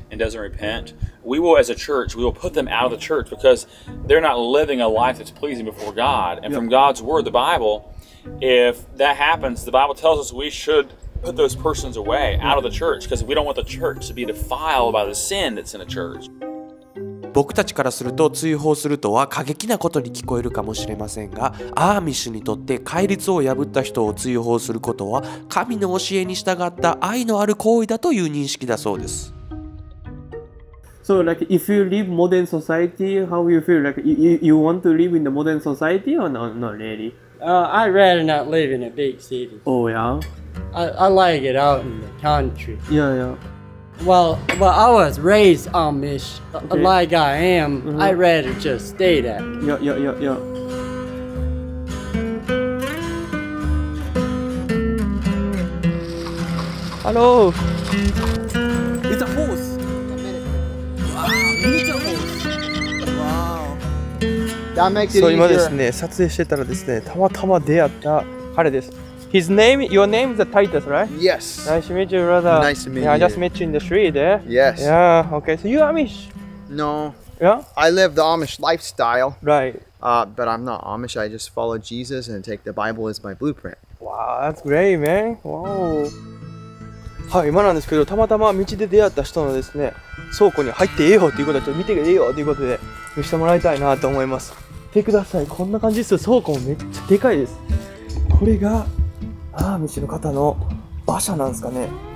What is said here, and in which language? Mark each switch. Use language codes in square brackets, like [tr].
[en] and doesn't repent, we will, as a church, we will put them out of the church because they're not living a life that's pleasing before God. And yeah. from God's word, the Bible, if that happens, the Bible tells us we should put those persons away, out of the church, because we don't want the church to be defiled by the sin that's in the church. [ja] 僕たちからすると追放するとは過激なことに聞こえるかもしれませんが、アーミッシュにとって戒律を破った人を追放することは神の教えに従った愛のある行為だという認識だそうです。 [en] So like if you live modern society, how you feel like you want to live in the modern society or not really? I'd rather not live in a big city. Oh, yeah? I like it out in the country. Yeah, yeah. Well, I was raised Amish, okay. Like I am. Mm-hmm. I'd rather just stay that. Yeah. Hello! It's a horse! [ja] So, 今ですね、撮影してたらですね、たまたま出会った彼です。 [en] His name, your name is Titus, right? Yes. Nice to meet you, brother. Nice to meet you. I just met you in the street, eh? Yes. Yeah, okay. So, you Amish? No. Yeah? I live the Amish lifestyle. Right. But I'm not Amish. I just follow Jesus and take the Bible as my blueprint. Wow, that's great, man. Wow. [ja] はい、今なんですけど、たまたま道で出会った人のですね、倉庫に入ってええよっていうことで、ちょっと見てええよっていうことで見せてもらいたいなと思います。見てください、こんな感じです。倉庫もめっちゃでかいです。これがアーミッシュの方の馬車なんですかね。